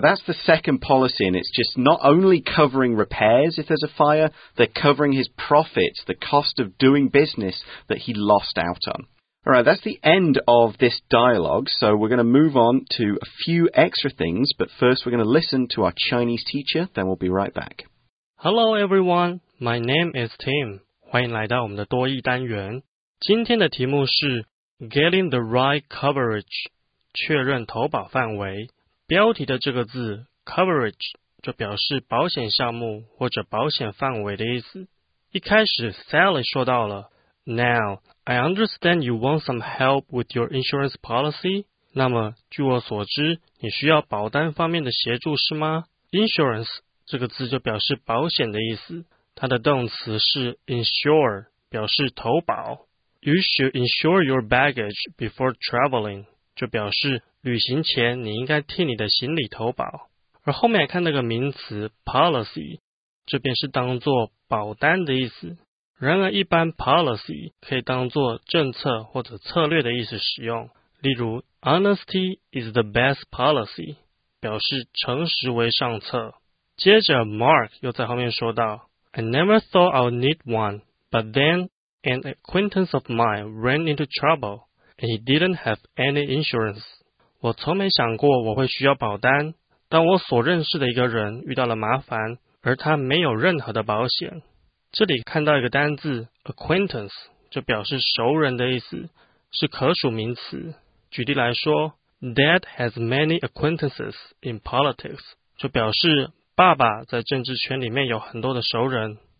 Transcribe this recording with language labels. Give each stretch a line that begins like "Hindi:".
English: That's the second policy, and it's just not only covering repairs if there's a fire, they're covering his profits, the cost of doing business that he lost out on. All right, that's the end of this dialogue, so we're going to move on to a few extra things, but first we're going to listen to our Chinese teacher, then we'll be right back. Hello everyone, my name is Tim.
Chinese: 欢迎来到我们的多益单元。今天的题目是
English: Getting the right coverage,
Chinese: 确认投保范围。标题的这个字 coverage 就表示保险项目或者保险范围的意思。一开始 Sally 说到了
English: Now, I understand you want some help with your insurance policy.
Chinese: 那么据我所知你需要保单方面的协助是吗？ Insurance 这个字就表示保险的意思。它的动词是 insure, 表示投保。
English: You should insure your baggage before traveling,
Chinese: 就表示旅行前你应该替你的行李投保。而后面看那个名词 policy, 这边是当作保单的意思。然而一般 policy 可以当作政策或者策略的意思使用。例如
English: honesty is the best policy,
Chinese: 表示诚实为上策。接着 Mark 又在后面说到
English: I never thought I'd need one, but then an acquaintance of mine ran into trouble, and he didn't have any insurance.
Chinese: 我从没想过我会需要保单，但我所认识的一个人遇到了麻烦，而他没有任何的保险。这里看到一个单字 acquaintance, 就表示熟人的意思，是可数名词。举例来说 ,
English: Dad has many acquaintances in politics,
Chinese: 就表示爸爸在政治圈里面有很多的熟人。